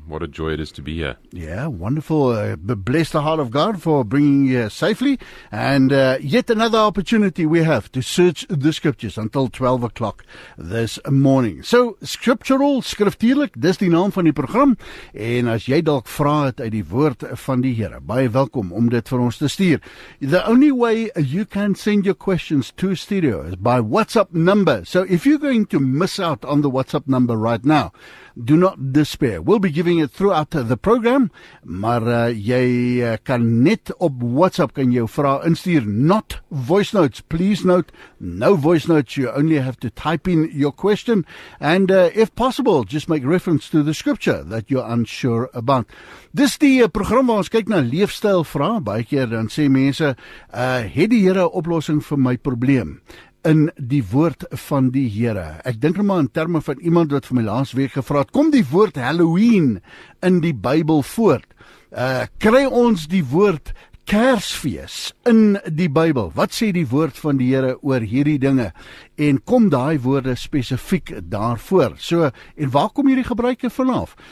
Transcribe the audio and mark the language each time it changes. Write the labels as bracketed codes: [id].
[en] What a joy it is to be here. Yeah, wonderful. Bless the heart of God for bringing you safely. And yet another opportunity we have to search the scriptures until 12 o'clock this morning. [af] So, scriptural, skriftuurlik, dis die naam van die program. En as jy dalk vra het uit die woord van die Here, baie welkom om dit vir ons te stuur. [en] The only way you can send your questions to studio is by WhatsApp number. So if you're going to miss out on the WhatsApp number right now, do not despair. We'll be giving it throughout the program. [af] Maar jy kan net op WhatsApp kan jou vrae instuur. [en] Not voice notes. Please note, no voice notes. You only have to type in your question. And if possible, just make reference to the scripture that you're unsure about. [af] Dis die program waar ons kyk na leefstyl vrae. Baie keer dan sê mense, het die Here 'n oplossing vir my probleem? In die woord van die Here. Ek dink nou maar in terme van iemand wat vir my laas week gevra het, kom die woord Halloween in die Bybel voor? Kry ons die woord Kersfees in die Bybel? Wat sê die woord van die Here oor hierdie dinge? En kom daai woorde spesifiek daarvoor? So, en waar kom hierdie gebruike vanaf?